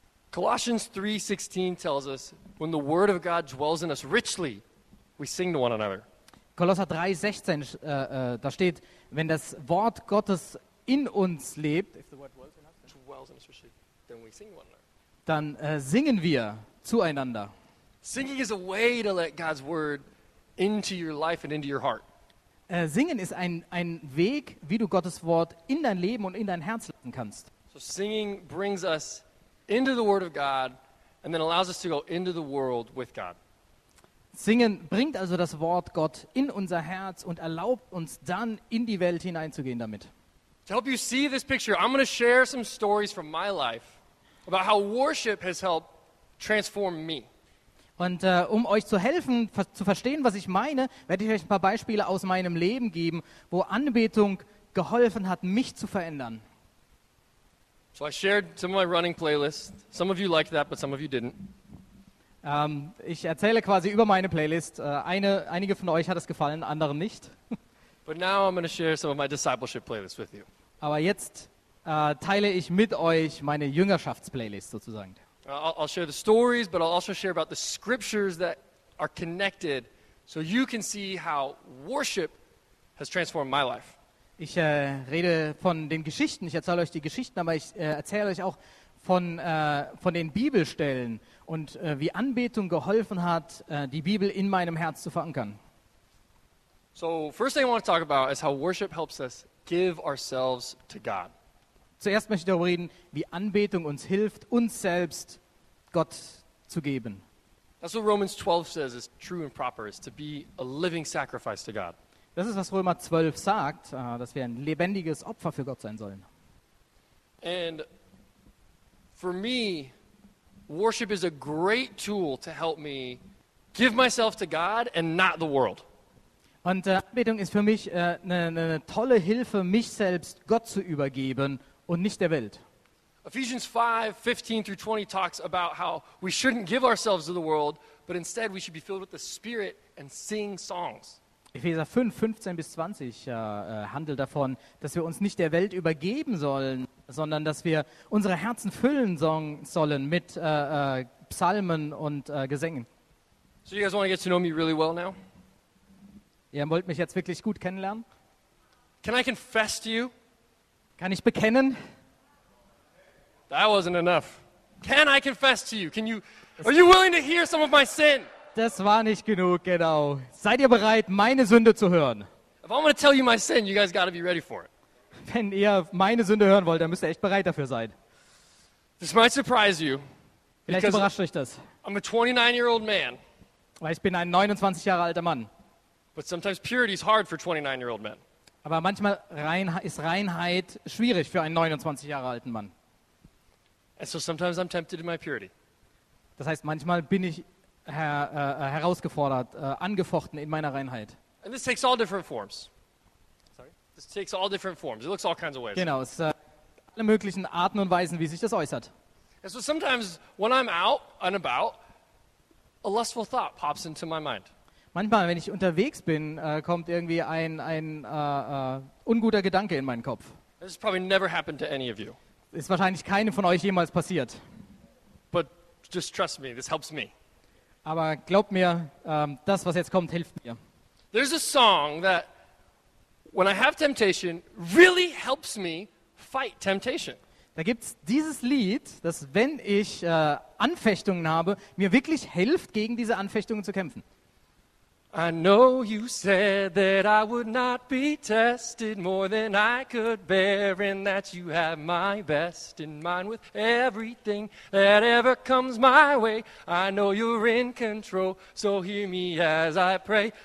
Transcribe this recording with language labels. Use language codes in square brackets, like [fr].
[en] Colossians 3:16 tells us, when the word of God dwells in us richly, we sing to one another. [de] Kolosser 3:16 da steht, wenn das Wort Gottes in uns lebt, [en] if the word dwells in us richly, then we sing to one another. [de] Dann singen wir zueinander. [en] Singing is a way to let God's word into your life and into your heart. [de] Singen ist ein Weg, wie du Gottes Wort in dein Leben und in dein Herz lassen kannst. [en] So singing brings us into the word of God and then allows us to go into the world with God. [de] Singen bringt also das Wort Gott in unser Herz und erlaubt uns dann in die Welt hineinzugehen damit. [en] To help you see this picture, I'm going to share some stories from my life about how worship has helped transform me. [de] Und um euch zu helfen, zu verstehen, was ich meine, werde ich euch ein paar Beispiele aus meinem Leben geben, wo Anbetung geholfen hat, mich zu verändern. [en] So I shared some of my running playlist. Some of you liked that, but some of you didn't. [de] Ich erzähle quasi über meine Playlist. Einige von euch hat es gefallen, andere nicht. [en] But now I'm going to share some of my discipleship playlist with you. [de] Aber jetzt teile ich mit euch meine Jüngerschaftsplaylist sozusagen. [en] I'll share the stories, but I'll also share about the scriptures that are connected, so you can see how worship has transformed my life. [de] Ich rede von den Geschichten, ich erzähle euch die Geschichten, aber ich erzähle euch auch von den Bibelstellen und wie Anbetung geholfen hat, die Bibel in meinem Herz zu verankern. [en] So, first thing I want to talk about is how worship helps us give ourselves to God. [de] Zuerst möchte ich darüber reden, wie Anbetung uns hilft, uns selbst Gott zu geben. [en] That's what Romans 12 says is true and proper, is to be a living sacrifice to God. [de] Das ist, was Römer 12 sagt, dass wir ein lebendiges Opfer für Gott sein sollen. [en] And for me, worship is a great tool to help me give myself to God and not the world. [de] Und Anbetung ist für mich eine tolle Hilfe, mich selbst Gott zu übergeben und nicht der Welt. [en] Ephesians 5:15-20 talks about how we shouldn't give ourselves to the world, but instead we should be filled with the Spirit and sing songs. [de] Epheser 5:15-20 handelt davon, dass wir uns nicht der Welt übergeben sollen, sondern dass wir unsere Herzen füllen sollen mit Psalmen und Gesängen. [en] So you guys want to get to know me really well now? [de] Ihr wollt mich jetzt wirklich gut kennenlernen? [en] Can I confess to you? [de] Kann ich bekennen? [en] That wasn't enough. Can I confess to you? Are you willing to hear some of my sin? [de] Das war nicht genug, genau. Seid ihr bereit, meine Sünde zu hören? [en] If I'm gonna tell you my sin, you guys gotta be ready for it. [de] Wenn ihr meine Sünde hören wollt, dann müsst ihr echt bereit dafür sein. [en] This might surprise you. [de] Vielleicht überrascht euch das. [en] I'm a 29-year-old man. [de] Weil ich bin ein 29 Jahre alter Mann. [en] But sometimes purity is hard for 29-year-old men. [de] Aber manchmal ist Reinheit schwierig für einen 29 Jahre alten Mann. [en] And so sometimes I'm tempted in my purity. [de] Das heißt, manchmal bin ich herausgefordert, angefochten in meiner Reinheit. [en] And this takes all different forms. Sorry? This takes all different forms. It looks all kinds of ways. [de] Genau, es alle möglichen Arten und Weisen, wie sich das äußert. [en] And so sometimes when I'm out and about, a lustful thought pops into my mind. [de] Manchmal, wenn ich unterwegs bin, kommt irgendwie ein unguter Gedanke in meinen Kopf. [en] This has probably never happened to any of you. [de] Ist wahrscheinlich keinem von euch jemals passiert. [en] But just trust me, this helps me. [de] Aber glaubt mir, das, was jetzt kommt, hilft mir. [en] There's a song that, when I have temptation, really helps me fight temptation. [de] Da gibt's dieses Lied, das, wenn ich Anfechtungen habe, mir wirklich hilft, gegen diese Anfechtungen zu kämpfen. [en] I know you said that I would not be tested more than I could bear, and that you have my best in mind with everything that ever comes my way. I know you're in control, so hear me as I pray.